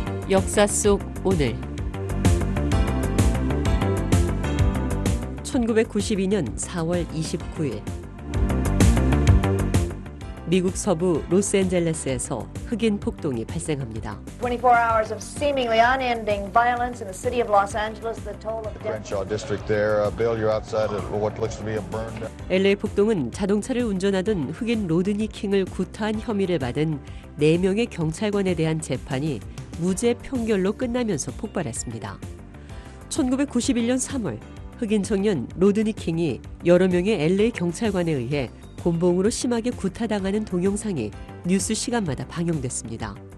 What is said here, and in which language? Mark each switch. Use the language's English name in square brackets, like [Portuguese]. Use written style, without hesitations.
[Korean] 역사 속 오늘 1992년 4월 29일 미국 서부 로스앤젤레스에서 흑인 폭동이 발생합니다. [English] 24hours of seemingly unending violence in the city of Los Angeles. The toll of the Crenshaw district there, Bill, you're outside of what looks to be a burned. [Korean] LA 폭동은 자동차를 운전하던 흑인 로드니 킹을 구타한 혐의를 받은 네 명의 경찰관에 대한 재판이 무죄 평결로 끝나면서 폭발했습니다. 1991년 3월, 흑인 청년 로드니 킹이 여러 명의 LA 경찰관에 의해 곤봉으로 심하게 구타당하는 동영상이 뉴스 시간마다 방영됐습니다.